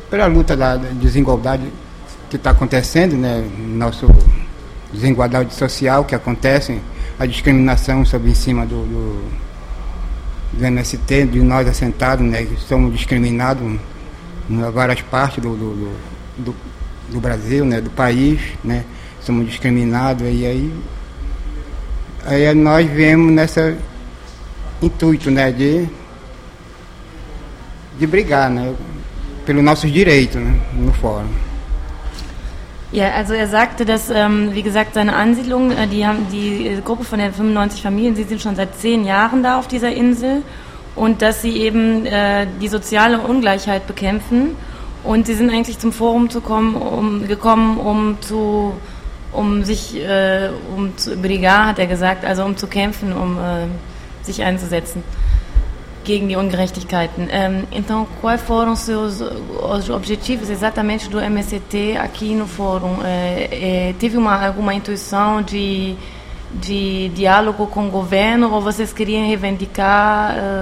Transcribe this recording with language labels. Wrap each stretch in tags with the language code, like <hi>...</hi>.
<pt>luta da desigualdade que está acontecendo, né, nosso desigualdade social que acontece, a discriminação sobre em cima do MST, de nós assentados, né, que somos discriminados em várias partes do Brasil, né, do país, né, somos discriminados, e aí nós viemos nesse intuito, né, de brigar, né, pelos nossos direitos, né, no fórum.</pt> <de>Ja, also er sagte, dass, wie gesagt, seine Ansiedlung, die haben die Gruppe von den 95 Familien, sie sind schon seit 10 Jahren da auf dieser Insel und dass sie eben die soziale Ungleichheit bekämpfen und sie sind eigentlich zum Forum gekommen, um zu brigar, hat er gesagt, also um zu kämpfen, um sich einzusetzen gegen die Ungerechtigkeiten.</de> <pt>Então, quais foram os objetivos exatamente do MST aqui no fórum? Teve alguma intuição de diálogo com o governo ou vocês queriam reivindicar?</pt>